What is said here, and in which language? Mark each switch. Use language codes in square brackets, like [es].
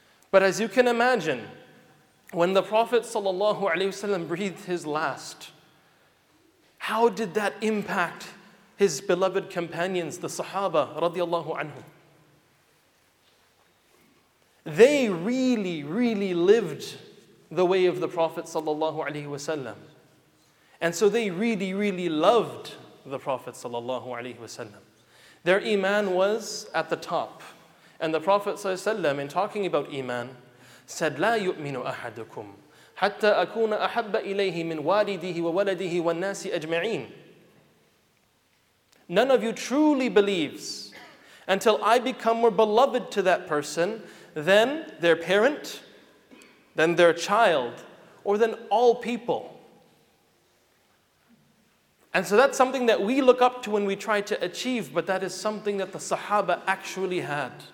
[en] But as you can imagine, when the Prophet sallallahu alaihi wasallam breathed his last, how did that impact his beloved companions, the Sahaba radiallahu anhu? They really, really lived the way of the Prophet sallallahu alaihi wasallam. And so they really, really loved the Prophet sallallahu alaihi wasallam. Their iman was at the top. And the Prophet ﷺ, in talking about iman, said, [ar] لا يؤمن أحدكم حتى أكون أحب إليه من والده وولده والناس أجمعين. [en] None of you truly believes until I become more beloved to that person than their parent, than their child, or than all people. And so that's something that we look up to when we try to achieve, but that is something that the Sahaba actually had.